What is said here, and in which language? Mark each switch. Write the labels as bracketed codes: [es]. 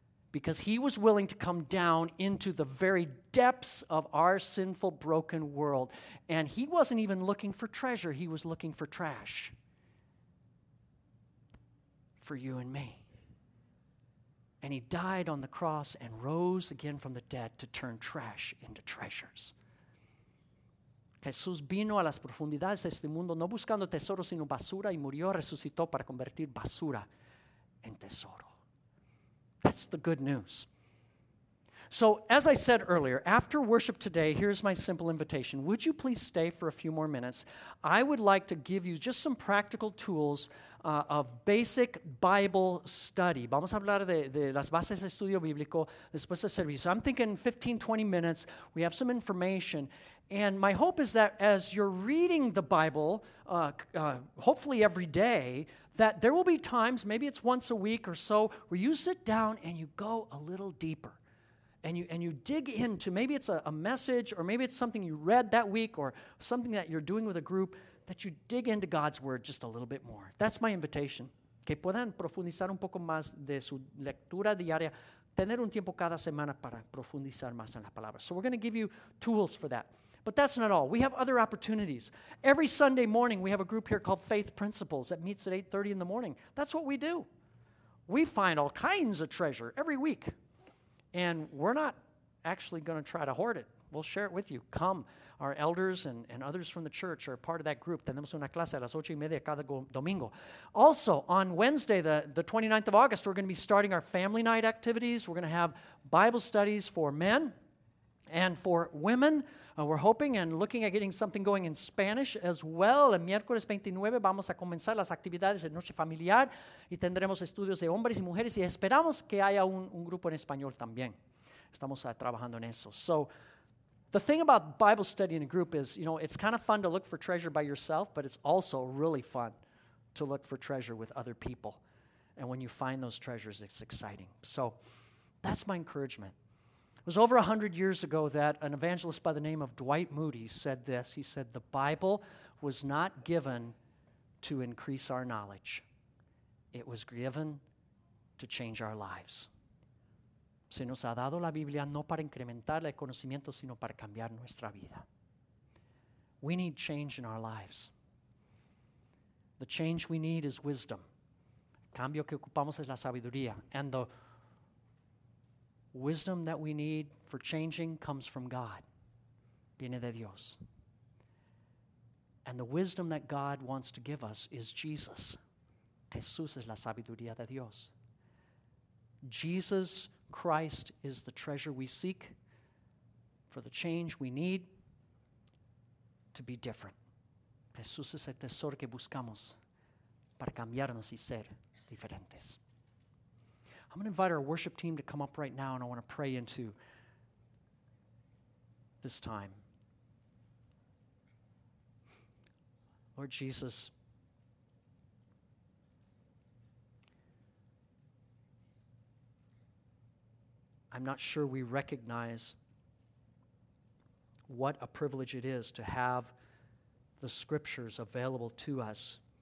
[en] Because he was willing to come down into the very depths of our sinful, broken world. And he wasn't even looking for treasure. He was looking for trash. For you and me. And he died on the cross and rose again from the dead to turn trash into treasures. [es] Jesús vino a las profundidades de este mundo no buscando tesoro sino basura y murió, resucitó para convertir basura en tesoro. [en] That's the good news. So as I said earlier, after worship today, here's my simple invitation. Would you please stay for a few more minutes? I would like to give you just some practical tools of basic Bible study. [es] Vamos a hablar de las bases de estudio bíblico después del servicio. [en] I'm thinking 15, 20 minutes. We have some information. And my hope is that as you're reading the Bible, hopefully every day, that there will be times, maybe it's once a week or so, where you sit down and you go a little deeper. And you dig into, maybe it's a message, or maybe it's something you read that week, or something that you're doing with a group, that you dig into God's Word just a little bit more. That's my invitation. [es] Que puedan profundizar un poco más de su lectura diaria, tener un tiempo cada semana para profundizar más en la palabra. [en] So we're going to give you tools for that. But that's not all. We have other opportunities. Every Sunday morning, we have a group here called Faith Principles that meets at 8:30 in the morning. That's what we do. We find all kinds of treasure every week. And we're not actually going to try to hoard it. We'll share it with you. Come. Our elders and others from the church are part of that group. [es] Tenemos una clase a las 8:30 cada domingo. [en] Also, on Wednesday, the 29th of August, we're going to be starting our family night activities. We're going to have Bible studies for men and for women. We're hoping and looking at getting something going in Spanish as well. [es] El miércoles 29 vamos a comenzar las actividades de noche familiar y tendremos estudios de hombres y mujeres y esperamos que haya un grupo en español también. Estamos trabajando en eso. [en] So the thing about Bible study in a group is, you know, it's kind of fun to look for treasure by yourself, but it's also really fun to look for treasure with other people. And when you find those treasures, it's exciting. So that's my encouragement. It was over 100 years ago that an evangelist by the name of Dwight Moody said this. He said, the Bible was not given to increase our knowledge. It was given to change our lives. [es] Se nos ha dado la Biblia no para incrementar el conocimiento, sino para cambiar nuestra vida. [en] We need change in our lives. The change we need is wisdom. [es] El cambio que ocupamos es la sabiduría. [en] And the Wisdom that we need for changing comes from God. [es] Viene de Dios. [en] And the wisdom that God wants to give us is Jesus. [es] Jesús es la sabiduría de Dios. [en] Jesus Christ is the treasure we seek for the change we need to be different. [es] Jesús es el tesoro que buscamos para cambiarnos y ser diferentes. [en] I'm going to invite our worship team to come up right now, and I want to pray into this time. Lord Jesus, I'm not sure we recognize what a privilege it is to have the scriptures available to us.